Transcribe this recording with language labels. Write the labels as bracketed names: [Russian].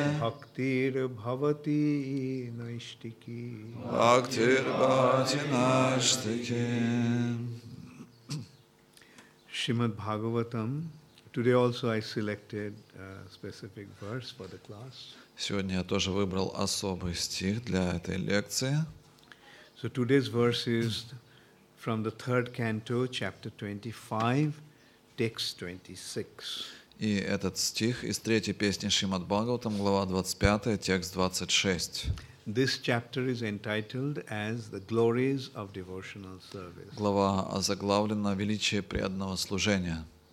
[Sanskrit] Bhaktir Bhavati Naishtiki. Bhaktir Bhavati Naishtiki. Srimad Bhagavatam. [English] Today also I selected a specific verse for the class. [Russian] Сегодня я тоже выбрал особый стих для этой лекции. [English] So today's verse is from the third canto, chapter 25, text 26. [Russian] И этот стих из третьей песни Шримад Бхагаватам, глава 25, текст 26. [English] This chapter is entitled as The Glories of Devotional Service. [Russian] Глава озаглавлена «Величие преданного служения».